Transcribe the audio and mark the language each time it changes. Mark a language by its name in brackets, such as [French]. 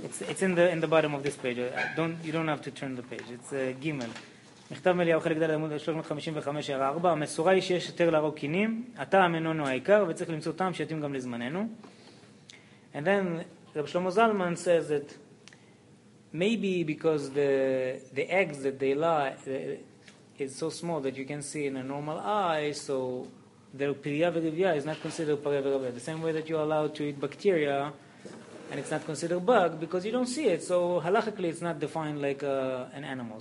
[English] It's in the bottom of this page. You don't have to turn the page. It's Gimel. [Hebrew] מכתב מליהו חלק דלת עמוד 355 הערה 4, המסורה היא שיש יותר להרוג קינים, הטעם איננו העיקר, וצריך למצוא טעם שיתאים גם לזמננו. [English] And then, רב שלמה זלמן says that maybe because the eggs that they lie is so small that you can see in a normal eye, so their פריה ורבייה is not considered פרה ורבה. The same way that you're allowed to eat bacteria, and it's not considered bug because you don't see it, so halachically it's not defined like an animal.